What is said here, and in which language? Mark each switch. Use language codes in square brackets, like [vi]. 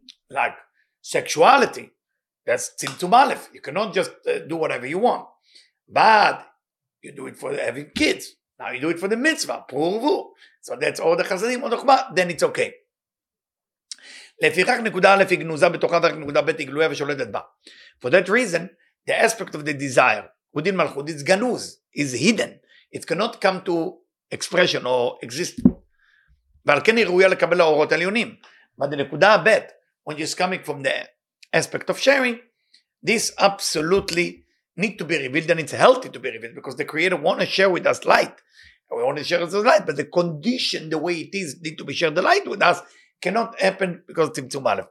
[en] Like sexuality, that's tzimtzum aleph. You cannot just do whatever you want. But you do it for having kids. Now you do it for the mitzvah, purvu. So that's all the chassadim, all the chokmah, then it's okay. [he] לפיכך נקודה א' היא גנוזה בתוכה ורק נקודה ב' היא גלויה ושולטת בה. [en] For that reason, the aspect of the desire within מלכות is גנוז, is hidden. It cannot come to expression or exist. [he] ועל כן היא ראויה לקבל האורות העליונים. [en] But the נקודה ב', when it's coming from the aspect of sharing, this absolutely need to be revealed and it's healthy to be revealed because the creator want to share with us light. We want to share with us light, but the condition, the way it is, need to be shared the light with us cannot happen because it's tzimtzum aleph.